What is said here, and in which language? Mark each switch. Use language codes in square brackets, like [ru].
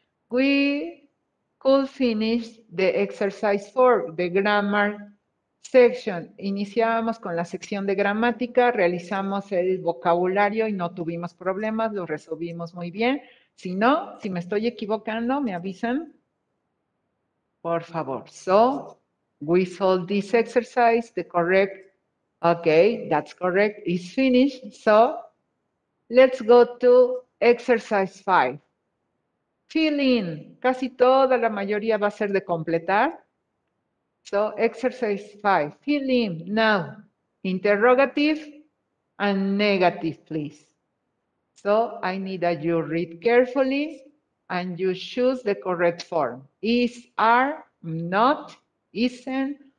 [en] We could finish the exercise for the grammar section. [es] Iniciábamos con la sección de gramática, realizamos el vocabulario y no tuvimos problemas, lo resolvimos muy bien. Si no, si me estoy equivocando, me avisan. Por favor. [en] So, we solved this exercise, the correct, okay, that's correct, it's finished. So, let's go to exercise 5. Fill in, [es] casi toda la mayoría va a ser de completar. [en] So, exercise 5, fill in, now, interrogative and negative, please. So, I need that you read carefully and you choose the correct form. Is, are, not, isn't,